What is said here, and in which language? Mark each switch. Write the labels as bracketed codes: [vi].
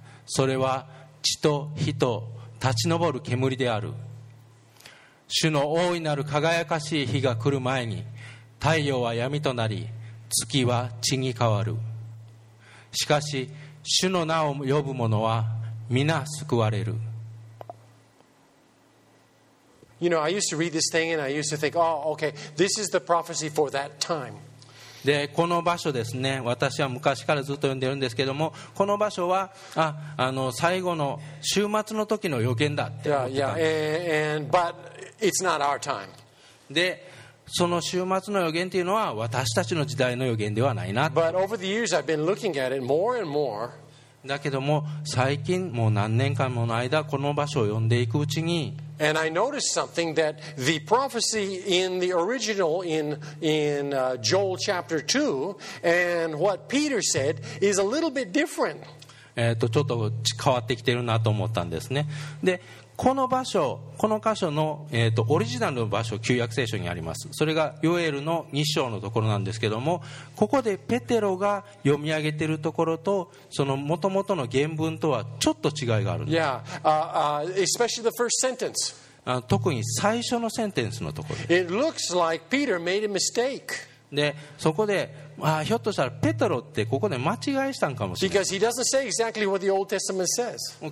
[ja] それは血と火と立ち上る煙である。主の大いなる輝かしい日が来る前に太陽は闇となり、月は血に変わる。しかし主の名を呼ぶ者は皆救われる。 [en] You know, I used to read this thing and I used to think, oh, okay, this is the prophecy for that time. [ja] で、この場所ですね、私は昔からずっと読んでるんですけども、この場所は、最後の終末の時の予言だって思ってたんです。 [en] Yeah, yeah, and, but it's not our time. [ja] で、その終末の予言というのは私たちの時代の予言ではないな。 [en] But over the years, I've been looking at it more and more. [ja] だけども最近もう何年間もの間この場所を読んでいくうちに、 [en] And I noticed something that the prophecy in the original in Joel chapter 2 and what Peter said is a little bit different. [ja] ちょっと変わってきてるなと思ったんですね。で、この場所、この箇所の、オリジナルの場所、旧約聖書にあります。それがヨエルの2章のところなんですけども、ここでペテロが読み上げているところとその元々の原文とはちょっと違いがあるんです。 [en] Yeah, especially the first sentence. [ja] 特に最初のセンテンスのところ、 [en] It looks like Peter made a mistake. [ja] で、そこで、ひょっとしたらペテロってここで間違えしたんかもしれない。 [en] Because he doesn't say exactly what the Old Testament says.